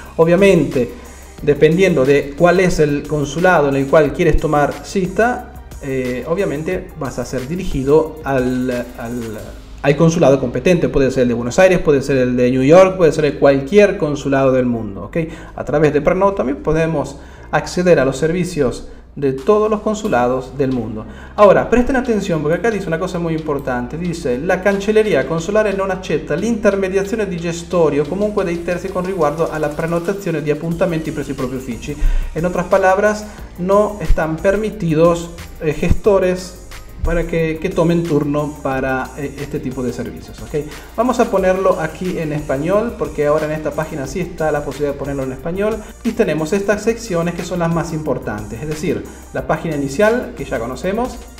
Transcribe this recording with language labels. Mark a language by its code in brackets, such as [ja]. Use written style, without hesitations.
[es] Obviamente, dependiendo de cuál es el consulado en el cual quieres tomar cita, obviamente vas a ser dirigido al consulado competente. Puede ser el de Buenos Aires, puede ser el de New York, puede ser cualquier consulado del mundo, ¿ok? A través de Prenota también podemos acceder a los servicios de todos los consulados del mundo. Ahora, presten atención porque acá dice una cosa muy importante. [it] Dice: la cancelleria consolare non accetta l'intermediazione di gestori o comunque dei terzi con riguardo alla prenotazione di appuntamenti presso i propri uffici. [es] En otras palabras, no están permitidos gestores para que tomen turno para este tipo de servicios, ¿ok? Vamos a ponerlo aquí en español, porque ahora en esta página sí está la posibilidad de ponerlo en español. Y tenemos estas secciones que son las más importantes, es decir, la página inicial, que ya conocemos.